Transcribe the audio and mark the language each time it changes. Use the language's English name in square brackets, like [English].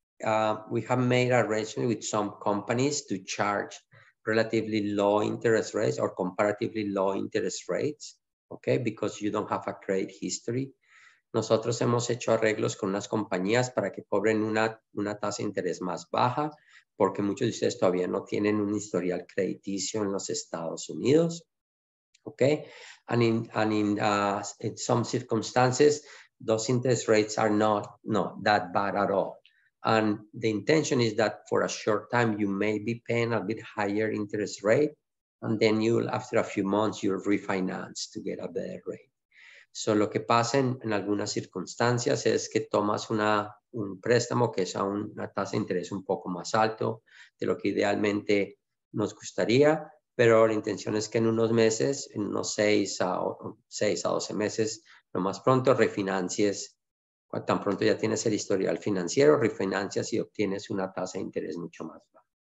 [English] made arrangements with some companies to charge relatively low interest rates or comparatively low interest rates, okay, because you don't have a credit history. [Spanish] Nosotros hemos hecho arreglos con unas compañías para que cobren una tasa de interés más baja, porque muchos de ustedes todavía no tienen un historial crediticio en los Estados Unidos. [English] Okay, and in some circumstances, those interest rates are not that bad at all. And the intention is that for a short time, you may be paying a bit higher interest rate, and then after a few months, you'll refinance to get a better rate. [Spanish] So lo que pasa en algunas circunstancias es que tomas un préstamo que es a una tasa de interés un poco más alto de lo que idealmente nos gustaría, pero la intención es que en unos meses, en unos 6 a 12 meses, lo más pronto refinancies, tan pronto ya tienes el historial financiero, refinancias y obtienes una tasa de interés mucho más baja.